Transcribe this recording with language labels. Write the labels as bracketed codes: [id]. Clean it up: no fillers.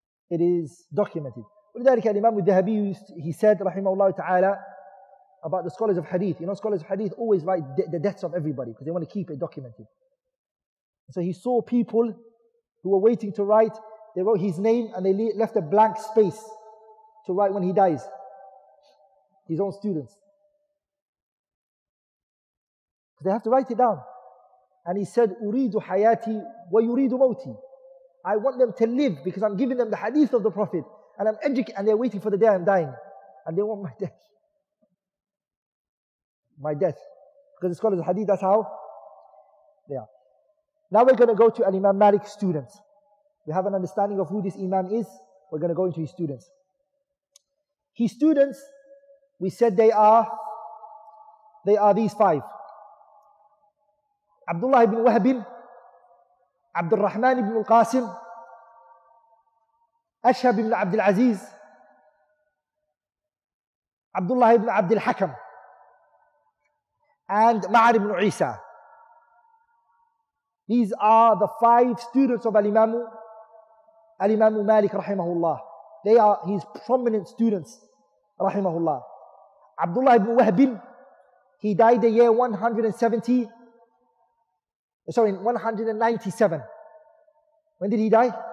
[en] It is documented. [ar] ولذلك [en] الإمام الذهبي, he said, [ar] رحمه الله تعالى, [en] about the scholars of hadith. You know, scholars of hadith always write the deaths of everybody because they want to keep it documented. So he saw people who were waiting to write. They wrote his name and they left a blank space to write when he dies. His own students. Because they have to write it down. [ar] And he said, أُرِيدُ حَيَاتِي وَيُرِيدُ مَوْتِي. [en] I want them to live because I'm giving them the hadith of the Prophet and I'm educating, and they're waiting for the day I'm dying and they want my death, because the scholars of hadith, that's how they are. Now we're going to go to Imam Malik's students. We have an understanding of who this imam is. We're going to go into his students. His students, we said they are these five: Abdullah ibn Wahb, عبد الرحمن بن القاسم، أشهب بن عبد العزيز، عبد الله بن عبد الحكم، and معر بن عيسى. These are the five students of Al-Imam Malik [ar] رحمه الله. [en] They are his prominent students [ar] رحمه الله. [en] عبد الله بن وهب, he died the year 197. When did he die?